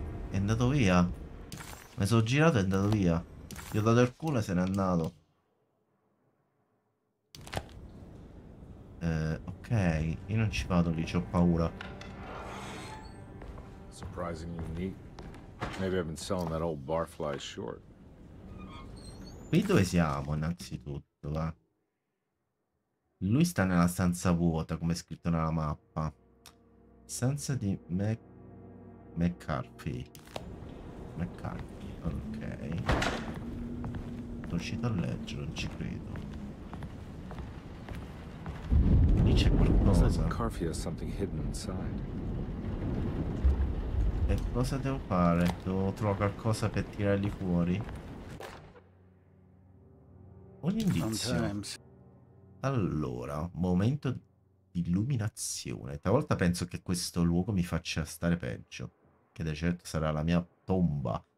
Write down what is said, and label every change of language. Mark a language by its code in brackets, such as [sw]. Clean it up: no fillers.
[it] È andato via. Mi sono girato e è andato via. Gli ho dato il culo e se n'è andato. Ok. Io non ci vado lì, c'ho paura. [en] Surprisingly neat. Maybe I've been selling that old barfly short. [it] Qui dove siamo innanzitutto, va? Lui sta nella stanza vuota, come è scritto nella mappa. Stanza di McCarthy. McCarthy, ok. Sono uscito a leggere, non ci credo. Lì c'è qualcosa. [en] McCarthy has something hidden inside. [it] E cosa devo fare? Devo trovare qualcosa per tirarli fuori? Un indizio. Allora, momento di illuminazione. Talvolta penso che questo luogo mi faccia stare peggio. Che da certo sarà la mia tomba.